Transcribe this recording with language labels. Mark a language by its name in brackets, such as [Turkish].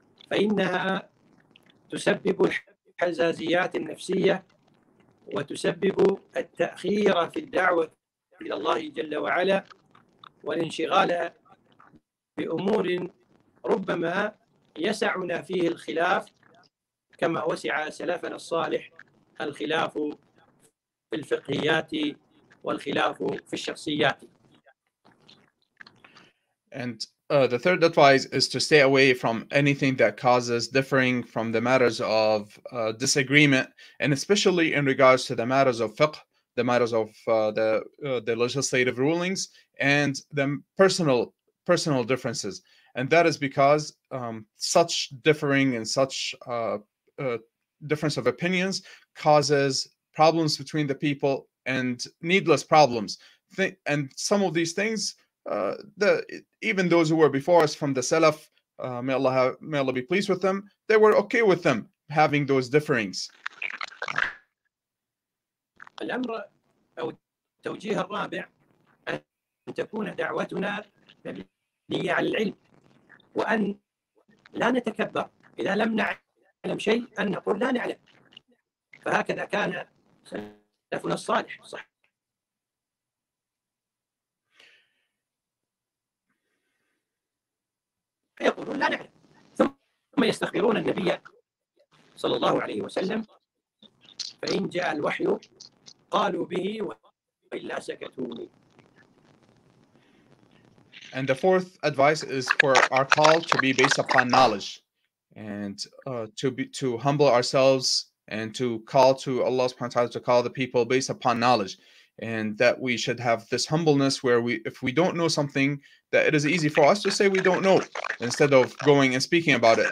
[Arabic] فإنها تسبب الحزازيات النفسية وتسبب التأخير في الدعوة إلى الله جل وعلا والانشغال بأمور ربما يسعنا فيه الخلاف كما وسع سلفنا الصالح الخلاف في الفقهيات والخلاف في الشخصيات. [English] And the third advice is to stay away from anything that causes differing from the matters of disagreement, and especially in regards to the matters of fiqh, the matters of the legislative rulings and the personal differences. And that is because such differing and such difference of opinions causes problems between the people and needless problems. And some of these things, even those who were before us from the Salaf, may Allah be pleased with them, they were okay with them having those differings. [Arabic] الأمر أو التوجيه الرابع أن تكون دعوتنا مبنية على العلم وأن لا نتكبر إذا لم نعلم شيء أن نقول لا نعلم فهكذا كان سلفنا الصالح صح. يقولون لا نعلم ثم يستخبرون النبي صلى الله عليه وسلم فإن جاء الوحي [English] And the fourth advice is for our call to be based upon knowledge and to humble ourselves and to call to Allah subhanahu wa ta'ala to call the people based upon knowledge and that we should have this humbleness where we, if we don't know something, that it is easy for us to say we don't know instead of going and speaking about it.